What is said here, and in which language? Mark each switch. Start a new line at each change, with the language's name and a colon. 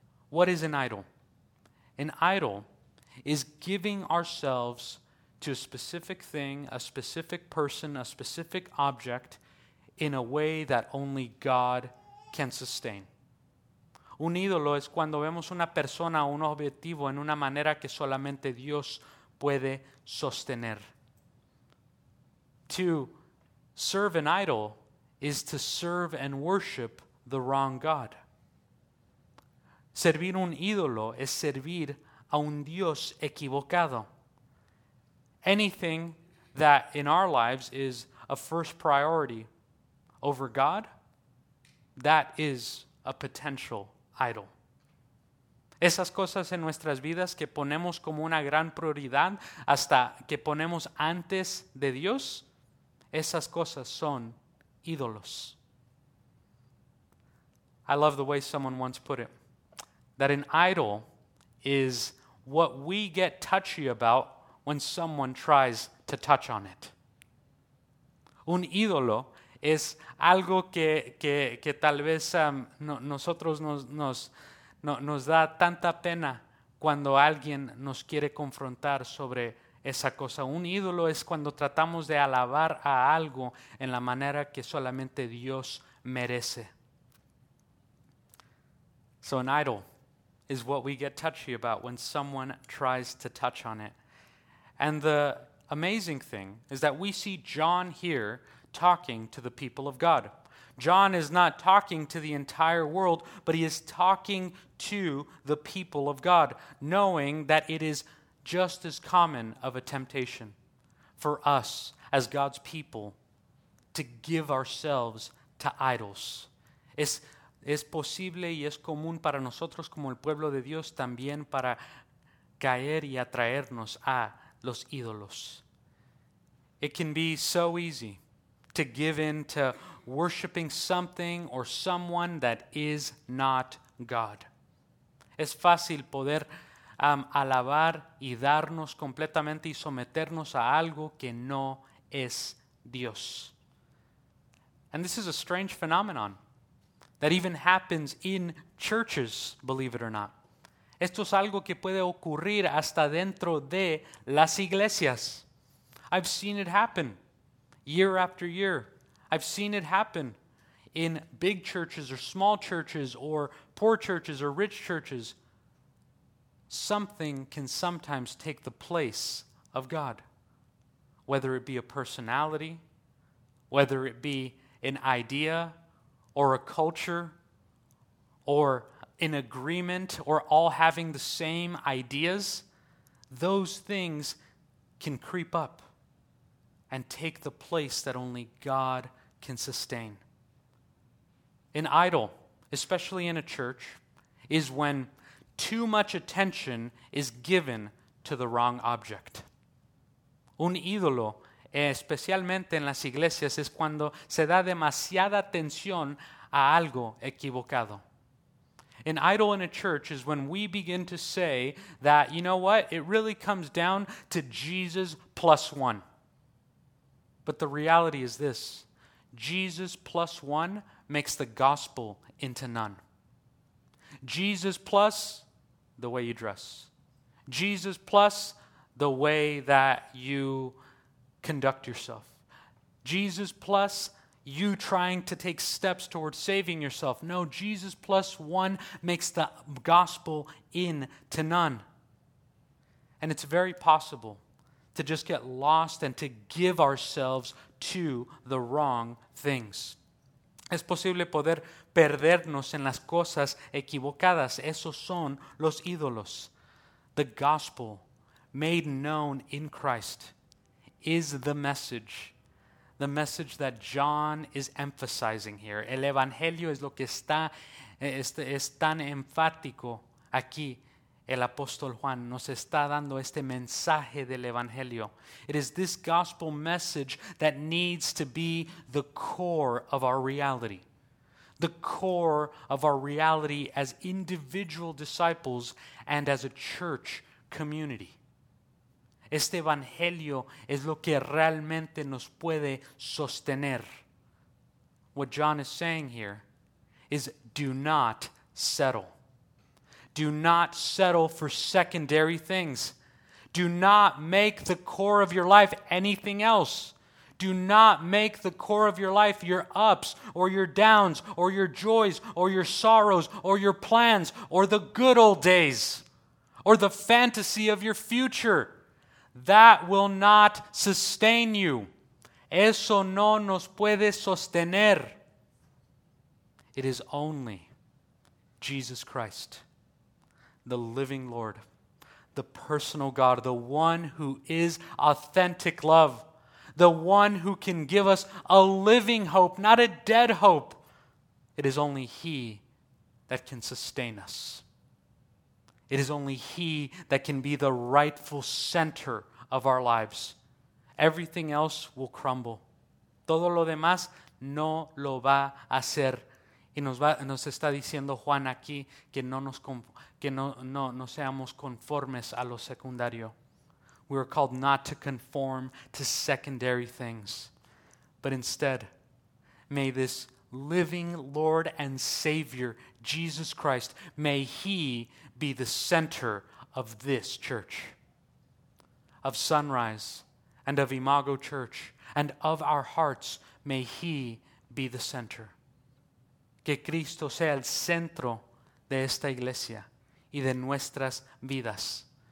English: What is an idol? An idol is giving ourselves to a specific thing, a specific person, a specific object in a way that only God can sustain.
Spanish: Un ídolo es cuando vemos una persona o un objetivo en una manera que solamente Dios puede sostener.
English: To serve an idol is to serve and worship the wrong God.
Spanish: Servir un ídolo es servir a un Dios equivocado.
English: Anything that in our lives is a first priority over God, that is a potential idol.
Spanish: Esas cosas en nuestras vidas que ponemos como una gran prioridad, hasta que ponemos antes de Dios, esas cosas son ídolos.
English: I love the way someone once put it, that an idol is what we get touchy about when someone tries to touch on it.
Spanish: Un ídolo es algo que tal vez nosotros nos da tanta pena cuando alguien nos quiere confrontar sobre esa cosa. Un ídolo es cuando tratamos de alabar a algo en la manera que solamente Dios merece.
English: So an idol is what we get touchy about when someone tries to touch on it. And the amazing thing is that we see John here talking to the people of God. John is not talking to the entire world, but he is talking to the people of God, knowing that it is just as common of a temptation for us as God's people to give ourselves to idols.
Spanish: Es posible y es común para nosotros como el pueblo de Dios también para caer y atraernos a los ídolos.
English: It can be so easy to give in to worshiping something or someone that is not God.
Spanish: Es fácil poder alabar y darnos completamente y someternos a algo que no es Dios.
English: And this is a strange phenomenon that even happens in churches, believe it or not.
Spanish: Esto es algo que puede ocurrir hasta dentro de las iglesias.
English: I've seen it happen year after year. I've seen it happen in big churches or small churches or poor churches or rich churches. Something can sometimes take the place of God, whether it be a personality, whether it be an idea or a culture or an agreement or all having the same ideas. Those things can creep up and take the place that only God can sustain. An idol, especially in a church, is when too much attention is given to the wrong object.
Spanish: Un ídolo, especialmente en las iglesias, es cuando se da demasiada atención a algo equivocado.
English: An idol in a church is when we begin to say that, you know what, it really comes down to Jesus plus one. But the reality is this, Jesus plus one makes the gospel into none. Jesus plus the way you dress. Jesus plus the way that you conduct yourself. Jesus plus you trying to take steps towards saving yourself. No, Jesus plus one makes the gospel in to none. And it's very possible to just get lost and to give ourselves to the wrong things.
Spanish: Es posible poder perdernos en las cosas equivocadas. Esos son los ídolos.
English: The gospel made known in Christ is the message that John is emphasizing here.
Spanish: El evangelio es lo que está, es tan enfático aquí. El apóstol Juan nos está dando este mensaje del evangelio.
English: It is this gospel message that needs to be the core of our reality. The core of our reality as individual disciples and as a church community.
Spanish: Este evangelio es lo que realmente nos puede sostener.
English: What John is saying here is do not settle. Do not settle for secondary things. Do not make the core of your life anything else. Do not make the core of your life your ups or your downs or your joys or your sorrows or your plans or the good old days or the fantasy of your future. That will not sustain you.
Spanish: Eso no nos puede sostener.
English: It is only Jesus Christ, the living Lord, the personal God, the one who is authentic love, the one who can give us a living hope, not a dead hope. It is only He that can sustain us. It is only He that can be the rightful center of our lives. Everything else will crumble.
Spanish: Todo lo demás no lo va a hacer. Y nos está diciendo Juan aquí que no seamos conformes a lo secundario.
English: We are called not to conform to secondary things, but instead, may this living Lord and Savior, Jesus Christ, may He be the center of this church, of Sunrise and of Imago Church, and of our hearts, may He be the center.
Spanish: Que Cristo sea el centro de esta iglesia y de nuestras vidas.